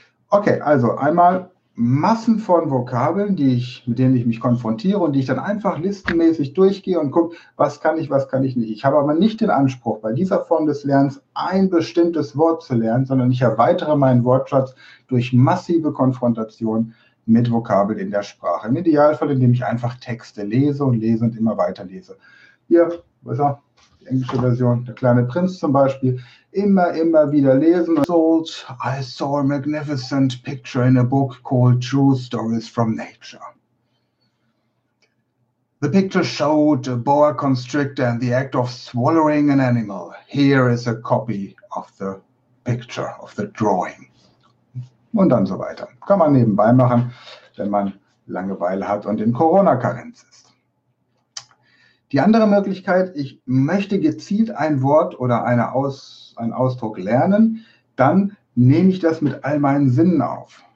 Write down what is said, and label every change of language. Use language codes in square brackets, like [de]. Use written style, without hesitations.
[de] Okay, also einmal Massen von Vokabeln, mit denen ich mich konfrontiere und die ich dann einfach listenmäßig durchgehe und gucke, was kann ich nicht. Ich habe aber nicht den Anspruch, bei dieser Form des Lernens ein bestimmtes Wort zu lernen, sondern ich erweitere meinen Wortschatz durch massive Konfrontation mit Vokabeln in der Sprache. Im Idealfall, indem ich einfach Texte lese und lese und immer weiter lese. Hier, wo ist er? Die englische Version, der kleine Prinz zum Beispiel. Immer, immer wieder lesen. [en] I saw a magnificent picture in a book called True Stories from Nature. The picture showed a boa constrictor and the act of swallowing an animal. Here is a copy of the picture, of the drawing. [de] Und dann so weiter. Kann man nebenbei machen, wenn man Langeweile hat und in Corona-Karenz ist. Die andere Möglichkeit, ich möchte gezielt ein Wort oder einen Ausdruck lernen, dann nehme ich das mit all meinen Sinnen auf.